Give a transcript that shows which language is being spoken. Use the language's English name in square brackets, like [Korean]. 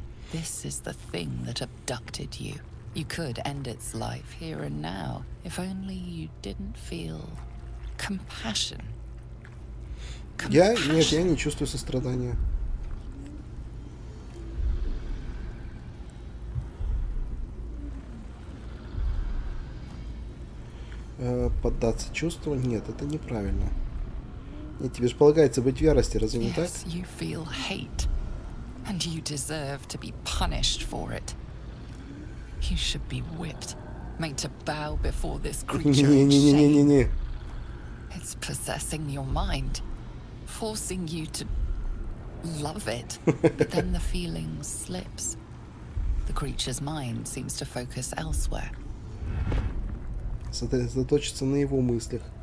[English] This is the thing that abducted you. You could end its life here and now, if only you didn't feel compassion. Compassion. [Russian] Я не чувствую сострадания. Поддаться чувству? Нет, это неправильно. Нет, тебе же полагается быть в ярости, разве не так? [English] You feel hate, and you deserve to be punished for it. You should be whipped, made to bow before this creature in shame. It's possessing your mind, forcing you to love it. But then the feeling slips. The creature's mind seems to focus elsewhere. [Russian] Сосредоточиться на его мыслях.